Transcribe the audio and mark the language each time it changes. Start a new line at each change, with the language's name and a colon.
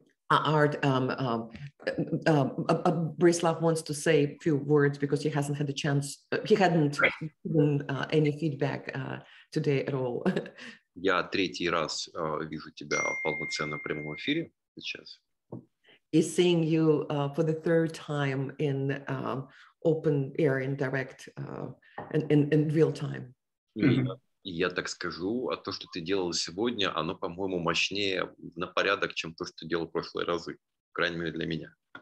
English: Art, Brislav wants to say a few words because he hasn't had a chance, he hadn't given any feedback today at all.
Russian: Я третий раз вижу тебя в полноценном прямом эфире сейчас.
English: He's seeing you for the third time in open air, in direct, in real time.
Russian: Я так скажу, а то, что ты делал сегодня, оно, по-моему, мощнее на порядок, чем то, что делал в прошлые разы, по крайней мере, для меня.